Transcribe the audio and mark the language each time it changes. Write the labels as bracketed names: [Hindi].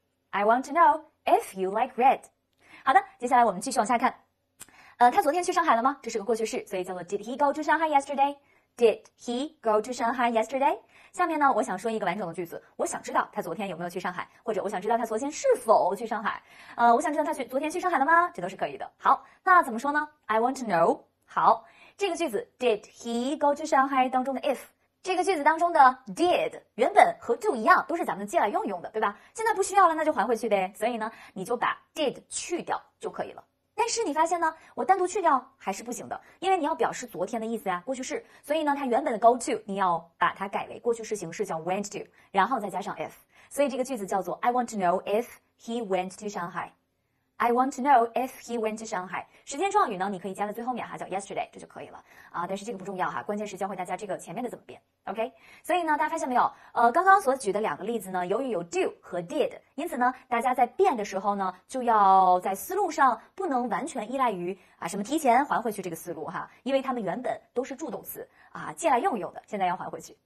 [English] I want to know if you like red. [Chinese] 好的，接下来我们继续往下看。他昨天去上海了吗？这是个过去式，所以叫做 [English] Did he go to Shanghai yesterday? Did he go to Shanghai yesterday? [Chinese] 下面呢，我想说一个完整的句子。我想知道他昨天有没有去上海，或者我想知道他昨天是否去上海。我想知道他昨天去上海了吗？这都是可以的。好，那怎么说呢 ？ [English] I want to know。 [Chinese] 好，这个句子 [English] Did he go to Shanghai [Chinese] 当中的 if， 这个句子当中的 did 原本和 do 一样，都是咱们借来用用的，对吧？现在不需要了，那就还回去呗。所以呢，你就把 did 去掉就可以了。但是你发现呢，我单独去掉还是不行的，因为你要表示昨天的意思啊，过去式，所以呢，它原本的 go to 你要把它改为过去式形式，叫 went to， 然后再加上 if， 所以这个句子叫做 [English] I want to know if he went to Shanghai。 I want to know if he went to Shanghai。 [Chinese] 时间状语呢，你可以加在最后面哈，叫 yesterday， 这就可以了啊。但是这个不重要哈，关键是教会大家这个前面的怎么变。 OK， 所以呢，大家发现没有？刚刚所举的两个例子呢，由于有 do 和 did， 因此呢，大家在变的时候呢，就要在思路上不能完全依赖于啊什么提前还回去这个思路哈，因为他们原本都是助动词啊，借来用用的，现在要还回去。